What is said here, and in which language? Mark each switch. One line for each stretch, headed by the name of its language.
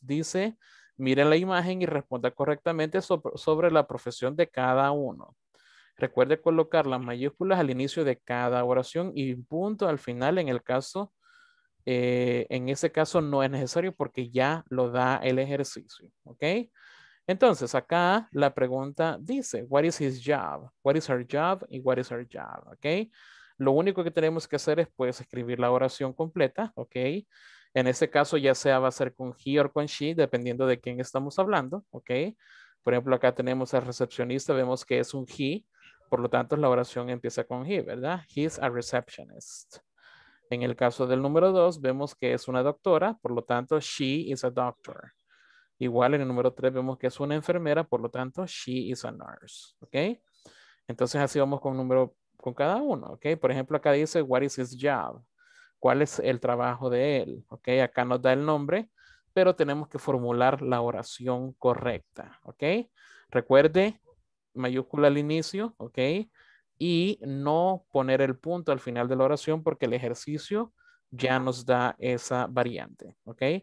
Spanish: Dice, miren la imagen y responda correctamente sobre la profesión de cada uno. Recuerde colocar las mayúsculas al inicio de cada oración y punto al final en el caso, en ese caso no es necesario porque ya lo da el ejercicio, ¿ok? Entonces, acá la pregunta dice,
English: what is his job? What is her job? Y what is her job? ¿Ok?
Spanish: Lo único que tenemos que hacer es, pues, escribir la oración completa, ¿ok? En este caso, ya sea va a ser con he o con she, dependiendo de quién estamos hablando, ¿ok? Por ejemplo, acá tenemos al recepcionista, vemos que es un he, por lo tanto, la oración empieza con he, ¿verdad?
English: He's a receptionist.
Spanish: En el caso del número 2, vemos que es una doctora, por lo tanto,
English: she is a doctor.
Spanish: Igual en el número 3 vemos que es una enfermera, por lo tanto,
English: she is a nurse,
Spanish: ¿ok? Entonces así vamos con número, con cada uno, ¿ok? Por ejemplo, acá dice,
English: what is his job?
Spanish: ¿Cuál es el trabajo de él? ¿Ok? Acá nos da el nombre, pero tenemos que formular la oración correcta, ¿ok? Recuerde, mayúscula al inicio, ¿ok? Y no poner el punto al final de la oración porque el ejercicio ya nos da esa variante, ¿ok?